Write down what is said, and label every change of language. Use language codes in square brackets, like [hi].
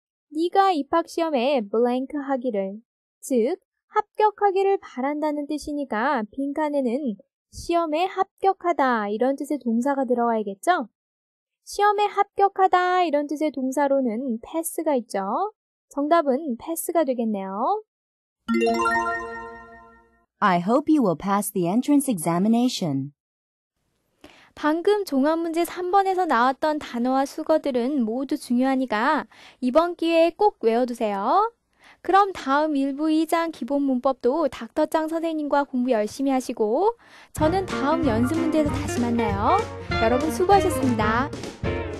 [ko] 네가 입학시험에 blank 하기를, 즉 합격하기를 바란다는 뜻이니까 빈칸에는 시험에 합격하다 이런 뜻의 동사가 들어가야겠죠? 시험에 합격하다 이런 뜻의 동사로는 pass가 있죠. 정답은 pass가 되겠네요. [en] I hope you will pass the entrance examination. [ko] 방금 종합문제 3번에서 나왔던 단어와 수거들은 모두 중요하니까 이번 기회에 꼭 외워두세요. 그럼 다음 1부 2장 기본 문법도 닥터짱 선생님과 공부 열심히 하시고, 저는 다음 연습 문제에서 다시 만나요. 여러분 수고하셨습니다.